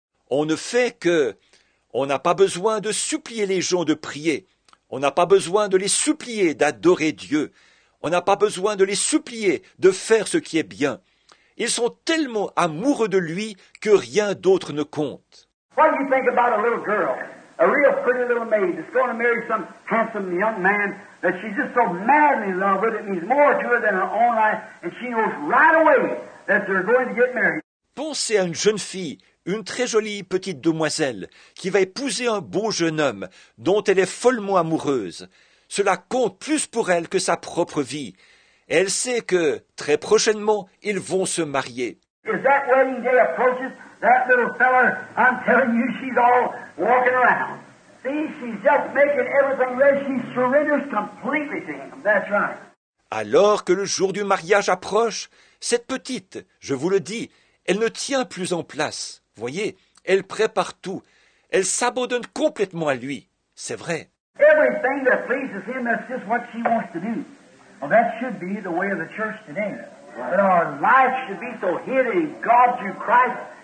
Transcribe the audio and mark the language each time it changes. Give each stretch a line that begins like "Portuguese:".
French: On n'a pas besoin de supplier les gens de prier. On n'a pas besoin de les supplier d'adorer Dieu. On n'a pas besoin de les supplier de faire ce qui est bien. Ils sont tellement amoureux de lui que rien d'autre ne compte.
English: What do you think about a little girl, a real pretty little maid that's going to marry some handsome young man that she's just so madly in love with, it means more to her than her own life, and she knows right away that they're going to get married.
French: Pensez à une jeune fille, une très jolie petite demoiselle, qui va épouser un beau jeune homme dont elle est follement amoureuse. Cela compte plus pour elle que sa propre vie. Elle sait que, très prochainement, ils vont se marier.
English: Is that wedding day approaches? That little fella, I'm telling you, she's all walking around. See, she's just making everything ready. She surrenders completely to him. That's right.
French: Alors que le jour du mariage approche, cette petite, je vous le dis, elle ne tient plus en place. Voyez, elle prépare tout. Elle s'abandonne complètement à lui. C'est vrai.
English: Everything that pleases him, that's just what she wants to do. Well, that should be the way of the church today. But our life should be so hidden in God through Christ.